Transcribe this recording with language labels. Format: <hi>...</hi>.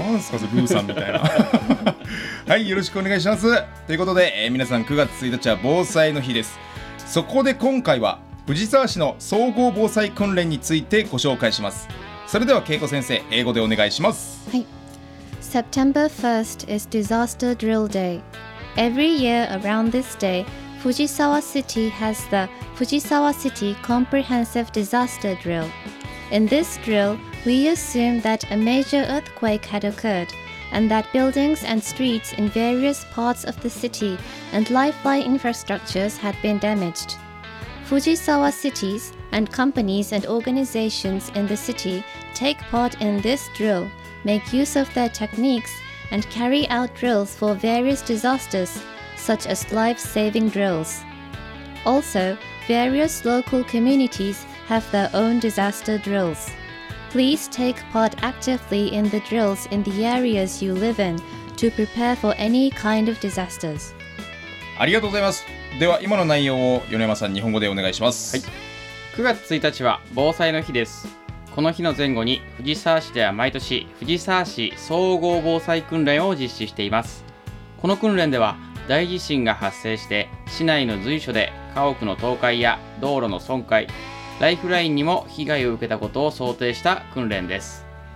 <ja>なんすかそれ、ブーさんみたいな。はい、よろしくお願いします。ということで、皆さん、9月1日は防災の日です。そこで今回は藤沢市の総合防災訓練についてご紹介します。それでは恵子先生、英語でお願いします。</ja> <en>はい。September 1st is Disaster Drill Day. Every year around this day, Fujisawa City has the Fujisawa City Comprehensive Disaster Drill. In this drill, we assume that a major earthquake had occurred and that buildings and streets in various parts of the city and lifeline infrastructures had been damaged. Fujisawa cities and companies and organizations in the city take part in this drill, make use of their techniques, and carry out drills for various disasters, such as life-saving drills. Also, various local communities have their own disaster drills. Please take part actively in the drills in the areas you live in to prepare for any kind of disasters.</en> <ja>ありがとうございます。では今の内容を米山さん、日本語でお願いします。はい。9月1日は防災の日です。この日の前後に藤沢市では毎年藤沢市総合防災訓練を実施しています。この訓練では大地震が発生して市内の随所で家屋の倒壊や道路の損壊、ライフラインにも被害を受けたことを想定した訓練です。</ja>